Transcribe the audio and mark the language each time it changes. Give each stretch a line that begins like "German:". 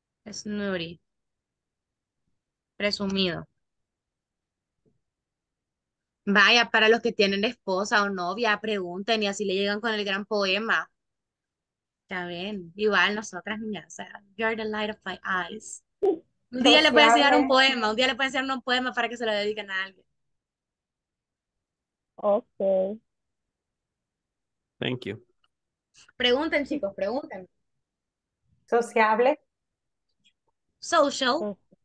English: Snooty.
Spanish: Presumido. Vaya, para los que tienen esposa o novia, pregunten y así le llegan con el gran poema. Está bien. Igual nosotras, niñas. O sea,
English: you're the light of my eyes.
Spanish: Un día le voy a enseñar un poema. Un día le voy a enseñar un poema para que se lo dediquen a alguien.
English: Ok. Thank you.
Spanish: Pregunten, chicos, pregunten. ¿Sociable?
English: Social.